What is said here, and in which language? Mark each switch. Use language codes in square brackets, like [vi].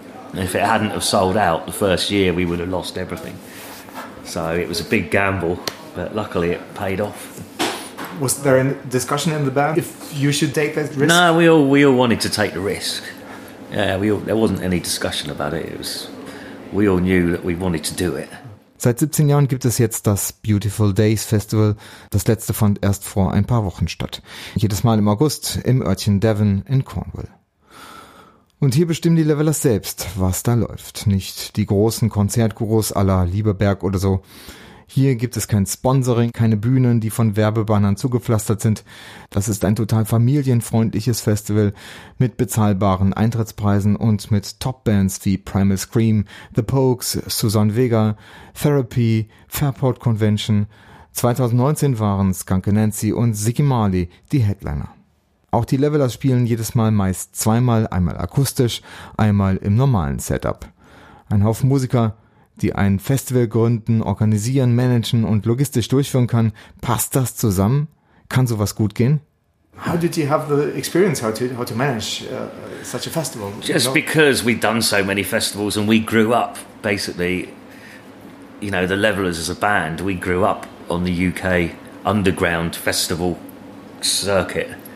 [en] And if it hadn't have sold out the first year, we would have lost everything. So it was a big gamble. but luckily it paid off. Was there a discussion in the band if you should take that risk? No, we all wanted to take the risk. Yeah, there wasn't any discussion about it. We all knew that we wanted to do it. [de] Seit 17 Jahren gibt es jetzt das Beautiful Days Festival. Das letzte fand erst vor ein paar Wochen statt. Jedes Mal im August im Örtchen Devon in Cornwall. Und hier bestimmen die Levelers selbst, was da läuft. Nicht die großen Konzertgurus à la Lieberberg oder so. Hier gibt es kein Sponsoring, keine Bühnen, die von Werbebannern zugepflastert sind. Das ist ein total familienfreundliches Festival mit bezahlbaren Eintrittspreisen und mit Topbands wie Primal Scream, The Pogues, Susan Vega, Therapy, Fairport Convention. 2019 waren Skunk and Nancy und Ziggy Marley die Headliner. Auch die Levelers spielen jedes Mal meist zweimal, einmal akustisch, einmal im normalen Setup. Ein Haufen Musiker, die ein Festival gründen, organisieren, managen und logistisch durchführen kann. Passt das zusammen? Kann sowas gut gehen? [en] How did you have the experience how to manage such a festival? Just because we've done so many festivals and we grew up, basically, you know, the Levelers as a band, we grew up on the UK underground festival circuit.